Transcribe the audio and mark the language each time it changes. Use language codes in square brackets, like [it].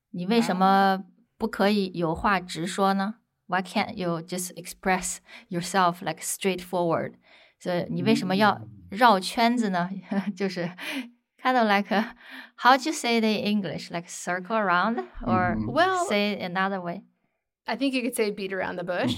[zh] 这个绕还挺有意思的，就是有的时候你说话的时候不直接说一件事情，也可以说是绕弯子。我们有的时候会说，你为什么不可以有话直说呢？ [en] Why can't you just express yourself like straightforward? [zh] 所以你为什么要绕圈子呢？就是 [en] kind of like how do you say it in English? Like circle around or say it another way? I think you could say beat around the bush.